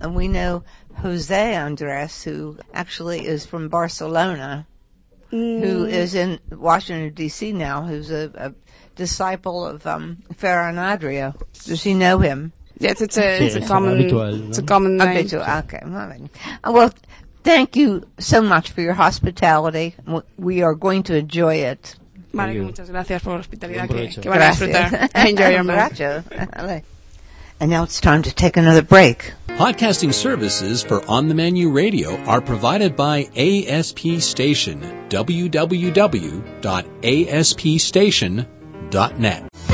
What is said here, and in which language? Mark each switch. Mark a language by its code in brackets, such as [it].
[en] We know Jose Andres, who actually is from Barcelona, who is in Washington, D.C. now, who's a disciple of Ferran Adrià. Does he know him? Yes, it's a common name. Well, thank you so much for your hospitality. We are going to enjoy it. [es] Vale, muchas gracias por la hospitalidad que van a disfrutar. [en] Enjoy your meal. And now it's time to take another break. Podcasting services for On the Menu Radio are provided by ASP Station, www.aspstation.net.